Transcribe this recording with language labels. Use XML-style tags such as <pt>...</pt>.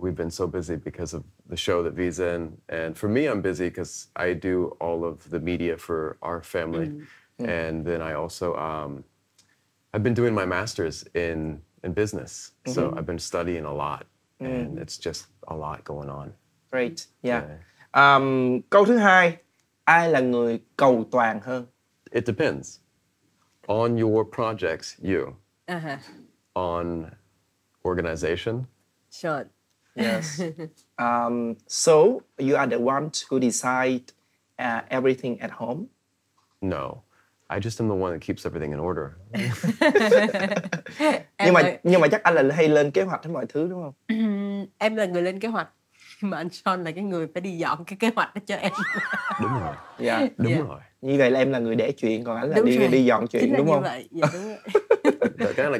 <en>We've been so busy because of the show that V's in. And for me, I'm busy because I do all of the media for our family. Mm-hmm. And then I also, I've been doing my master's in business. Mm-hmm. So I've been studying a lot and it's just a lot going on. Great, yeah.</en> <vi>Câu thứ hai, ai là người cầu toàn hơn?</vi> <en>It depends. On your projects, you. Uh-huh. On organization. Sure. Yes. So you are the one to decide everything at home? No. I just am the one that keeps everything in order.</en> <vi>nhưng mà chắc anh là hay lên kế hoạch hết mọi thứ đúng không? Em là người lên kế hoạch. Mà anh Sean là cái người phải đi dọn cái kế hoạch đó cho em. Đúng rồi.</vi> <en>Yeah.</en> <vi>Đúng rồi. Như vậy là em là người để chuyện, còn anh là đi dọn chuyện, chính đúng không? Dạ, đúng rồi.</vi>